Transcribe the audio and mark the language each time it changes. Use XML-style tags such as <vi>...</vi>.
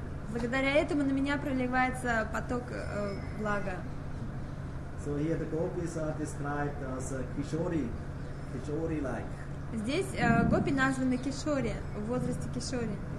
<ru>Благодаря этому на меня проливается поток блага.</ru> <en>So here the gopis are described as kishori like.</en> <ru>Здесь гопи названы кишори, в возрасте кишори.</ru>